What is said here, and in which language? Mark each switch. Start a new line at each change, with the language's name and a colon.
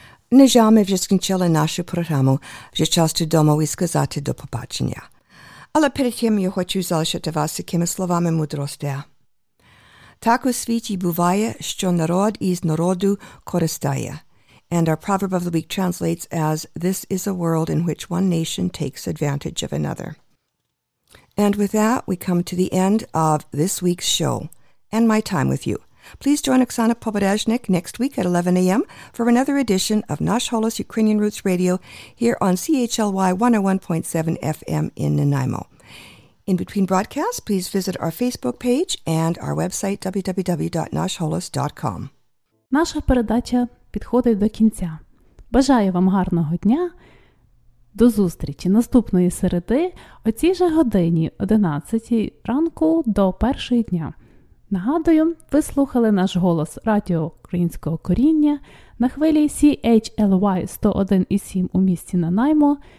Ukrainian: Не жаль, ми вже скінчили нашу програму. Вже час додому і сказати до побачення. Але перед тим я хочу залишити вас якими словами мудрості. Так у світі буває, що народ із народу користає.
English: And our proverb of the week translates as, this is a world in which one nation takes advantage of another. And with that, we come to the end of this week's show and my time with you. Please join Oksana Pobodazhnik next week at 11 a.m. for another edition of Nash Holos Ukrainian Roots Radio here on CHLY 101.7 FM in Nanaimo. In between broadcasts, please visit our Facebook page and our website www.nashholos.com.
Ukrainian: Наша передача підходить до кінця. Бажаю вам гарного дня. До зустрічі наступної середи о цій же годині 11 ранку до першої дня. Нагадую, ви слухали наш голос радіо українського коріння на хвилі CHLY 101.7 у місті Нанаймо.